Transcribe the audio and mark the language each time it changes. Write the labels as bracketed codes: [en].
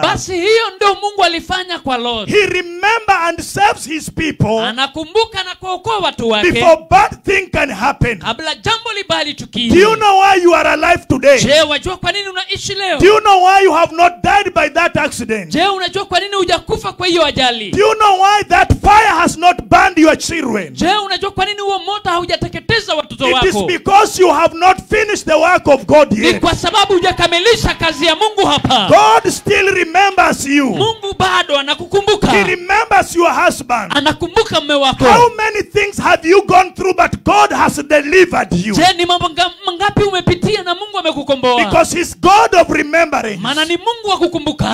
[sw] Basi hiyo ndio Mungu alifanya kwa Lot. [en] He remember and saves his people. [sw] Anakumbuka kana kuokoa watu wake. [en] Before bad thing can happen. [sw] Kabla jambo libali tukie. [en] Do you know why you are alive today? [sw] Je, unajua kwa nini unaishi leo? [en] Do you know why you have not died by that accident? [sw] Je, unajua kwa nini hujakufa kwa hiyo ajali? [en] Do you know why that fire has not burned your children? [sw] Je, unajua kwa nini huo moto haujateketeza watoto wako? [en] It is because you have not finished the work of God yet. [sw] Ni kwa sababu hujakamilisha kazi ya Mungu hapa. [en] God still remembers you. [sw] Mungu bado anakukumbuka. [en] He remembers your husband. [sw] Anakumbuka mume wako. [en] How many things have you gone through but God has delivered you? [sw] Je, ni mambo mangapi umepitia na Mungu amekukomboa? [en] Because he's God of remembrance. [sw] Maana ni Mungu wa kukumbuka.